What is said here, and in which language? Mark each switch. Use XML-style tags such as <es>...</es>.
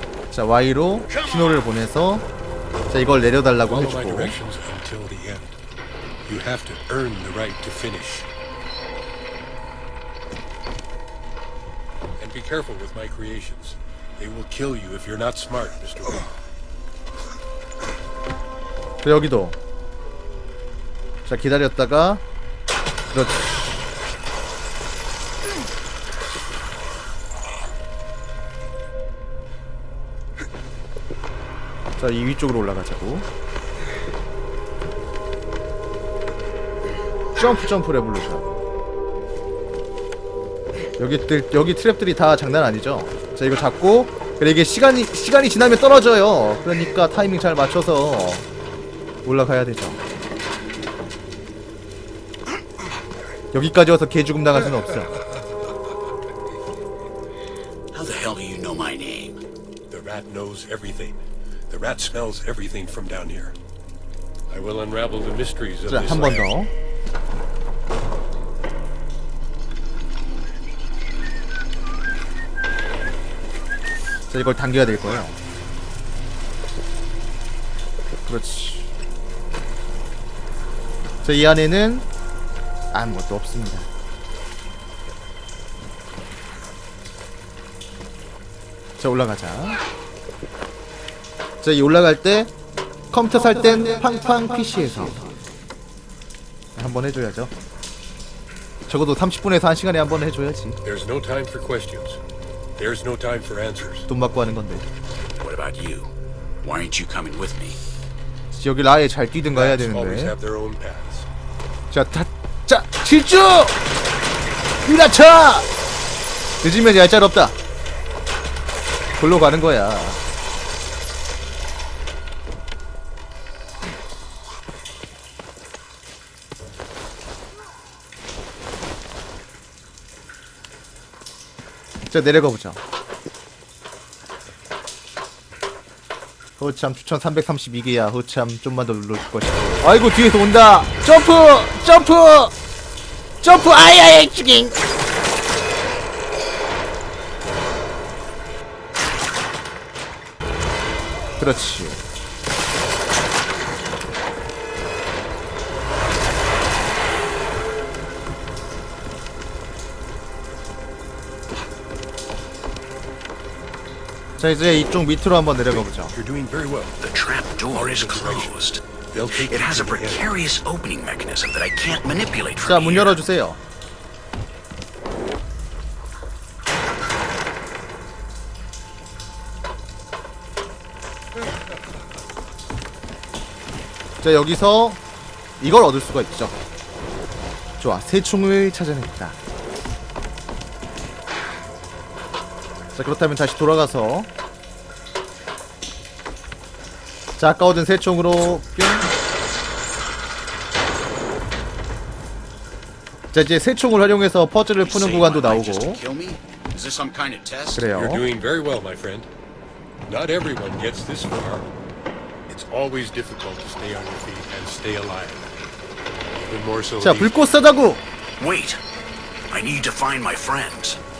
<ko>자, Y로 신호를 보내서 자, 이걸 내려달라고 해 주고.</ko> <en>Until the end. You have to earn the right to finish. Be careful with my creations. They will kill you if you're not smart, Mr. Wayne.</en> <ko>그래, 여기도. 자, 기다렸다가. 그렇지. 자, 이 위쪽으로 올라가자고. 점프, 점프 레볼루션. 여기 트랩들이 다 장난 아니죠? 자, 이거 잡고. 그래, 이게 시간이 지나면 떨어져요. 그러니까 타이밍 잘 맞춰서 올라가야 되죠. 여기까지 와서 개죽음 당할 수는 없어.</ko> <en>How the hell do you know my name? The rat knows everything. The rat smells everything from down here. I will unravel the mysteries of this.</en> <ko>한 번 더. 자, 이걸 당겨야 될 거예요. 그렇지. 자, 이 안에는 아무것도 없습니다. 자, 올라가자. 자, 이 올라갈 때 컴퓨터 살 땐 팡팡 PC에서 한번 해줘야죠. 적어도 30분에서 1시간에 한번 해줘야지.</ko> <en>There's no time for questions. There's no time for answers.</en> <ko>돈 받고 하는 건데.</ko> <en>What about you? Why aren't you coming with me?</en> <ko>여기 아예 잘 뛰든가 해야 되는데. 자, 7주! 유라차! 늦으면 얄짤 없다. 골로 가는 거야. 자, 내려가 보자. 호참, 추천 332개야. 호참, 좀만 더 눌러줄 것이다. 아이고, 뒤에서 온다! 점프! 점프! 점프! 아야야, 죽인! 그렇지. 자, 이제 이쪽 밑으로 한번 내려가 보죠.</ko> <en>You're doing very well. The trap door is closed. It has a precarious opening mechanism that I can't manipulate.</en> <ko>자, 문 열어 주세요. 자, 여기서 이걸 얻을 수가 있죠. 좋아. 새 총을 찾아냈다. 자, 그렇다면 다시 돌아가서, 자, 아까 얻은 새총으로 뿅. 자, 이제 새총을 활용해서 퍼즐을 푸는 구간도 나오고. 그래요.</ko> <en>You're doing very well, my friend. Not everyone gets this far. It's always difficult to stay on your feet and stay alive. Even more so.</en> <ko>자, 불꽃 쏘다구.</ko> <en>Wait. I need to find my friends.</en>